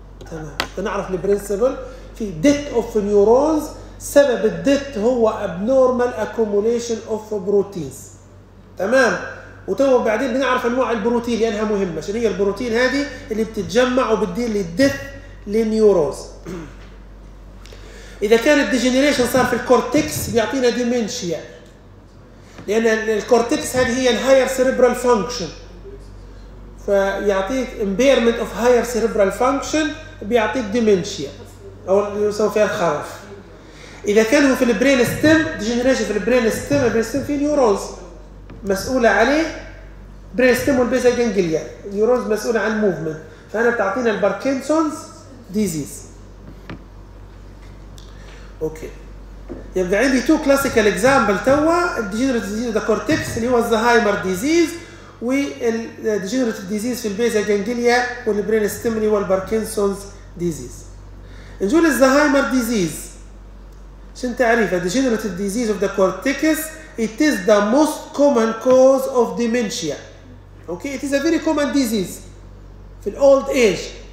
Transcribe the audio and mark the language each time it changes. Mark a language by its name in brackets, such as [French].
[Arabic] تمام، نعرف the principle في [English] death of neurons، [Arabic] سبب الdeath هو [English] abnormal accumulation of proteins. [Arabic] تمام، وتو بعدين بنعرف انواع البروتين لانها مهمه، شنو هي البروتين هذه اللي بتتجمع وبتدير للدث للنيوروز. اذا كان الديجنريشن صار في الكورتكس بيعطينا ديمنشيا، لان الكورتكس هذه هي الهاير سيريبرال فانكشن، فيعطيك امبيرمنت اوف هاير سيريبرال فانكشن بيعطيك ديمنشيا او يسمى فيها الخرف. اذا كان هو في البرين ستيم، ديجنريشن في البرين ستيم، البرين ستيم في نيوروز مسؤولة عليه، برين ستيم والبيزا جنجليا، نيورونز مسؤولة عن الموفمنت، فأنا بتعطينا الباركنسونز ديزيز. اوكي. يبقى عندي تو كلاسيكال اكزامبل توا، الديجنريتيف ديزيز ذا كورتكس اللي هو الزهايمر ديزيز، والديجنريتيف ديزيز في البيزا جنجليا والبرين ستيم اللي هو الباركنسونز ديزيز. نجول الزهايمر ديزيز. شنو تعريفها؟ ديجنريتيف ديزيز اوف ذا كورتكس. [English] It is the most common cause of dementia. Okay, it is a very common disease في old age.